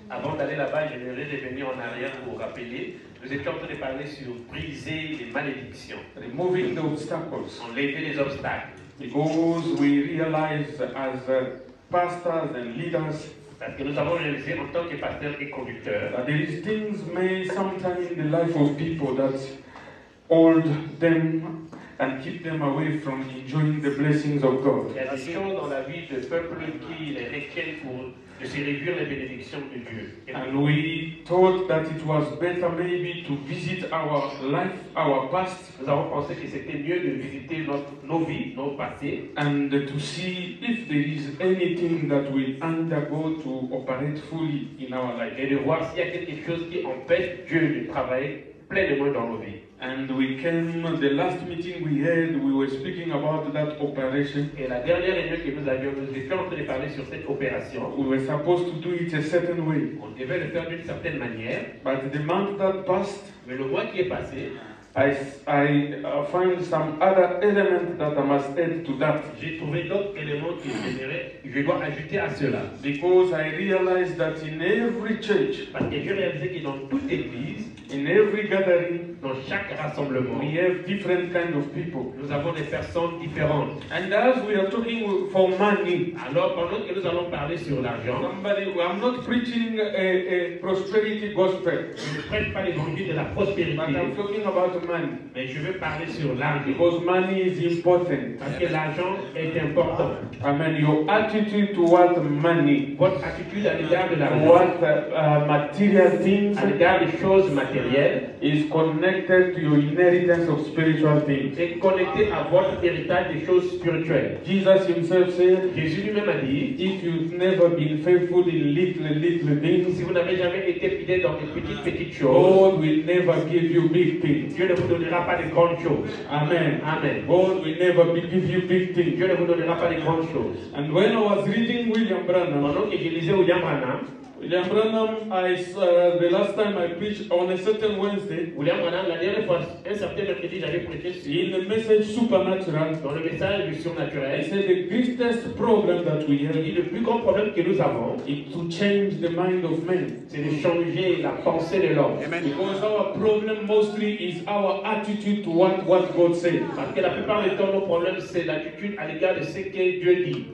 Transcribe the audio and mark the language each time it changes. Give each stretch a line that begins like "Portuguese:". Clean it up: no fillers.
French: Avant d'aller là-bas, j'aimerais revenir en arrière pour rappeler Nous étions en train de parler sur briser les malédictions.
English: Removing the obstacles.
French: Enlever les obstacles.
English: Because we realize as pastors and leaders.
French: Parce que nous avons réalisé en tant que pasteur et conducteur.
English: That there is things may sometimes in the life of people that hold them and keep them away from enjoying the blessings of God.
French: Il y a des choses dans la vie de peuple qui les retiennent pour de se réjouir les bénédictions de Dieu.
English: And we thought that it was better maybe to visit our life, our past.
French: Nous avons pensé que c'était mieux de visiter nos vies, nos passés.
English: And to see if there is anything that will undergo to operate fully in our life.
French: Et de voir s'il y a quelque chose qui empêche Dieu de travailler pleinement dans nos vies.
English: And we came, the last meeting we had, we were speaking about that operation.
French: Et la dernière réunion que nous avions, nous étions en train de parler sur cette opération.
English: We were supposed to do it a certain way.
French: On devait le faire d'une certaine manière.
English: But the month that passed,
French: mais le mois qui est passé,
English: I find some other element that I must add to that.
French: J'ai trouvé d'autres éléments qui généraient, je dois ajouter à cela.
English: Because I realized that in every church,
French: parce que j'ai réalisé que dans toute église,
English: in every gathering,
French: dans chaque rassemblement,
English: we have different kind of people.
French: Nous avons des personnes différentes.
English: And as we are talking for money,
French: alors pendant que nous allons parler sur l'argent,
English: somebody, I'm not preaching a prosperity gospel.
French: Je ne prêche pas l'évangile de la prospérité.
English: But I'm talking about money.
French: Mais je veux parler sur l'argent.
English: Because money is important.
French: Parce que l'argent est important.
English: Amen. Your attitude toward money.
French: Votre attitude à l'égard de l'argent.
English: What material things.
French: À l'égard des choses matérielles.
English: Is connected to your inheritance of spiritual things.
French: Est connecté à votre héritage des choses spirituelles.
English: Jesus himself said,
French: Jésus lui-même a dit,
English: if you've never been faithful in little things,
French: si vous n'avez jamais été fidèle dans les petites choses,
English: God will never give you big things.
French: Dieu ne vous donnera pas les grandes choses.
English: Amen. Amen. God will never give you big things.
French: Dieu ne vous donnera pas les grandes choses.
English: And when I was reading William Branham,
French: pendant que je lisais William Branham,
English: William Branham, the last time I preached on a certain Wednesday,
French: William Branham, la dernière fois, un certain mercredi, j'avais prêché sur
English: in the message supernatural,
French: dans le message du surnaturel,
English: he said the greatest problem that we have,
French: il dit le plus grand problème que nous avons,
English: is to change the mind of men,
French: c'est de changer la pensée de l'homme.
English: Amen. Because our problem mostly is our attitude to what God said.
French: Parce que la plupart des temps, nos problèmes, c'est l'attitude à l'égard de ce que Dieu dit.